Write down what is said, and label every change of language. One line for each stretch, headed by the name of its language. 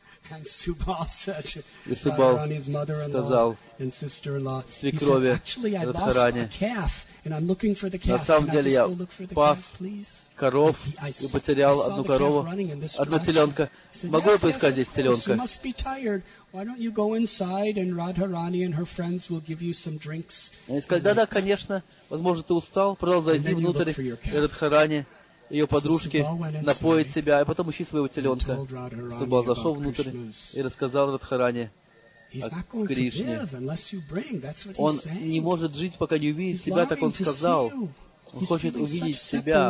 English: And Subal said,
Russian: и Субал сказал свекрови Радхарани,
English: And I'm looking for the calf.
Russian: На самом деле я пас коров и потерял одну корову, одну теленка. Могу я поискать здесь теленка?
English: You must be tired. Why don't you go inside and Radharani and her friends will give you some drinks?
Russian: Они сказали, да, конечно, возможно, ты устал, пожалуйста, зайди внутрь Радхарани, ее подружки, напоить себя, и потом ищи своего теленка. Субал зашел внутрь и рассказал Радхарани о Кришне. Он не может жить, пока не увидит себя, так он сказал. Он хочет увидеть себя.